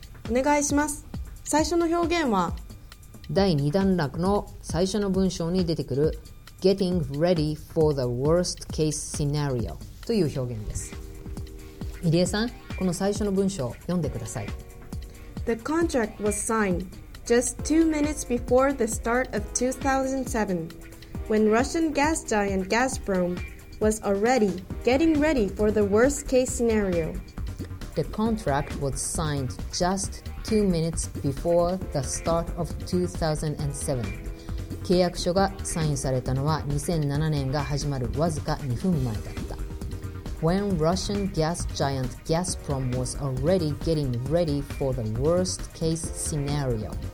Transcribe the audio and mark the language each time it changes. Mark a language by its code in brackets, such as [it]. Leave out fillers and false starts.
[ja] お願いします。最初の表現は第2段落の最初の文章に出てくる [en] getting ready for the worst case scenario [ja] という表現です。入江さん、この最初の文章を読んでください。 [en] The contract was signed just 2 minutes before the start of 2007 when Russian gas giant Gazprom was already getting ready for the worst case scenario. The contract was signed just 2 minutes before the start of 2007. [ja] 契約書がサインされたのは2007年が始まるわずか2分前だ。 [en] When Russian gas giant Gazprom was already getting ready for the worst case scenario.